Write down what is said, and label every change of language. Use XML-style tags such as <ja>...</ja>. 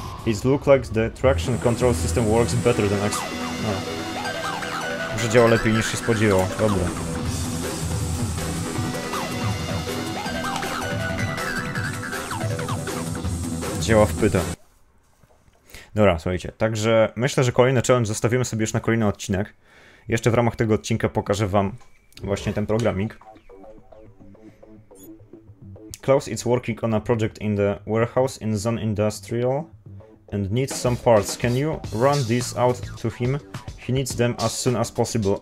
<en>It looks like the traction control system works better than expected.</en> <pl>Że działa lepiej niż się spodziewał. Dobra. Działa w pyta. Dobra, słuchajcie. Także myślę, że kolejny challenge zostawimy sobie już na kolejny odcinek. Jeszcze w ramach tego odcinka pokażę wam właśnie ten programik.</pl> <en>Klaus is working on a project in the warehouse in Zone Industrial and needs some parts. Can you run this out to him? He needs them as soon as possible.</en>